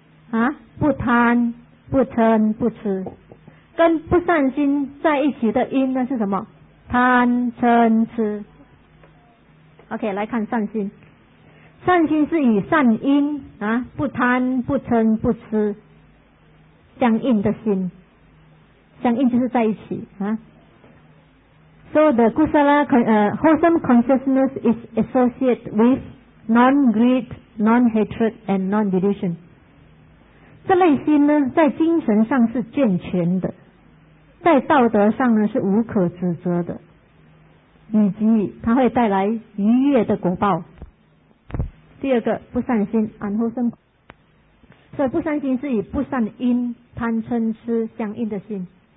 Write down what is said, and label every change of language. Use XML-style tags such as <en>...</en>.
<zh>啊，不贪、不嗔、不痴。跟不善心在一起的因呢是什么？贪、嗔、痴。OK， 来看善心。善心是以善因啊，不贪、不嗔、不痴相应的心，相应就是在一起啊。</zh> <en>So the kusala wholesome consciousness is associated with non-greed, non-hatred, and non-delusion.</en> <zh>这类心呢，在精神上是健全的，在道德上呢是无可指责的，以及它会带来愉悦的果报。第二个，不善心 unwholesome， 所以不善心是以不善因、贪嗔痴相应的心。</zh>